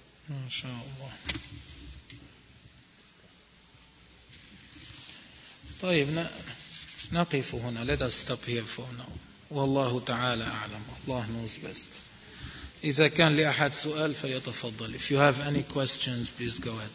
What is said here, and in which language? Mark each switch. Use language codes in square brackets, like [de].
[ar] إن شاء الله. طيب نقف هنا. [en] Let us stop here for now. [ar] والله تعالى أعلم. [en] الله knows best. [ar] إذا كان لأحد سؤال فيتفضل. [en] If you have any questions, please go ahead.